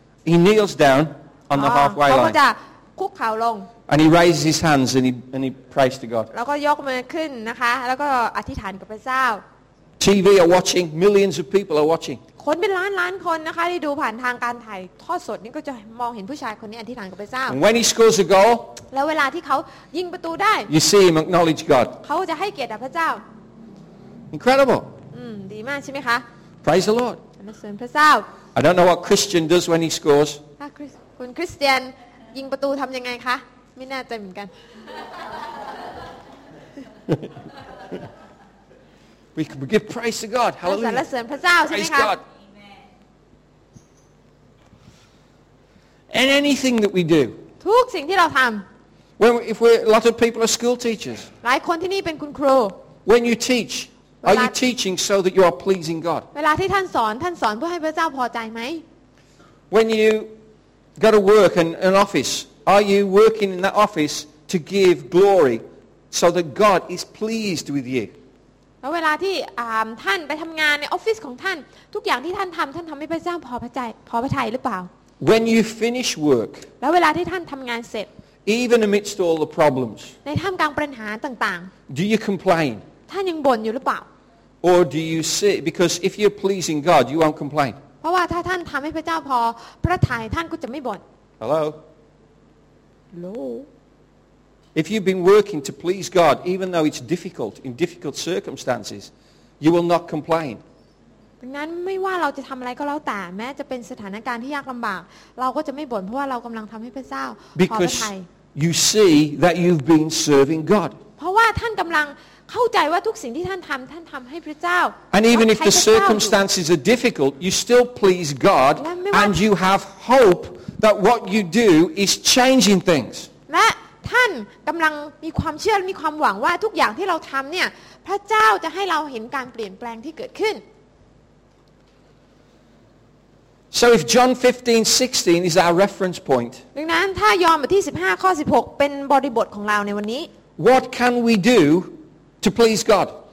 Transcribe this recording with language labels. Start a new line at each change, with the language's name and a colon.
English: He kneels down on the halfway line.
Thai: เขาจะคุกเข่าลง
English: And he raises his hands and he prays to God.
Thai: แล้วก็ยกมือขึ้นนะคะแล้วก็อธิษฐานกับพระเจ้า
English: TV are watching, millions of people are watching.
Thai: คนเป็นล้านล้านคนนะคะที่ดูผ่านทางการถ่ายทอดสดนี่ก็จะมองเห็นผู้ชายคนนี้อธิษฐานกับพระเจ้า
English: When he scores a goal.
Thai: แล้วเวลาที่เขายิงประตูได้
English: You see him acknowledge God.
Thai: เขาจะให้เกียรติพระเจ้า
English: Incredible.
Thai: ดีมากใช่ไหมคะ
English: Praise the Lord.
Thai: นมัสการพระเจ้า
English: I don't know what Christian does when he scores.
Thai: คุณคริสเตียนยิงประตูทำยังไงคะไม่แน่ใจเหมือนกัน
English: We can give praise to God. Hallelujah.
Thai: สรรเสริญพระเจ้าใช่ไหมคะ
English: Praise God. And anything that we do.
Thai: ทุกสิ่งที่เราทำ
English: When if we a lot of people are school teachers.
Thai: หลายคนที่นี่เป็นคุณครู
English: When you teach, are you teaching so that you are pleasing God?
Thai: เวลาที่ท่านสอนท่านสอนเพื่อให้พระเจ้าพอใจไหม
English: When you go to work and an office. Are you working in that office to give glory so that God is pleased with you?
Thai: เวลาที่ท่านไปทำงานในออฟฟิศของท่านทุกอย่างที่ท่านทำท่านทำให้พระเจ้าพอพระทัยหรือเปล่า
English: When you finish work.
Thai: แล้วเวลาที่ท่านทำงานเสร็จ
English: Even amidst all the problems.
Thai: ในท่ามกลางปัญหาต่าง
English: ๆ Do you complain?
Thai: ท่านยังบ่นอยู่หรือเปล่า
English: Or do you sit because if you're pleasing God you won't complain.
Thai: เพราะว่าถ้าท่านทำให้พระเจ้าพอพระทัยท่านก็จะไม่บ่น
English: Hello. No. If you've been working to please God, even though it's difficult in difficult circumstances, you will not complain.
Thai: ดังนั้นไม่ว่าเราจะทำอะไรก็แล้วแต่แม้จะเป็นสถานการณ์ที่ยากลำบากเราก็จะไม่บ่นเพราะว่าเรากำลังทำให้พระเจ้าพอพระทัย
English: Because you see that you've been serving God.
Thai: เพราะว่าท่านกำลังเข้าใจว่าทุกสิ่งที่ท่านทำท่านทำให้พระเจ้า
English: And even if the circumstances are difficult, you still please God, and you have hope. That what you do is changing things.
Thai: และท่านกำลังมีความเชื่อมีความหวังว่าทุกอย่างที่เราทำเนี่ยพระเจ้าจะให้เราเห็นการเปลี่ยนแปลงที่เกิดขึ้น
English: So if John 15:16 is our reference point.
Thai: ดังนั้นถ้ายอห์นบทที่15ข้อ16เป็นบริบทของเราในวันนี้
English: What can we do to please God?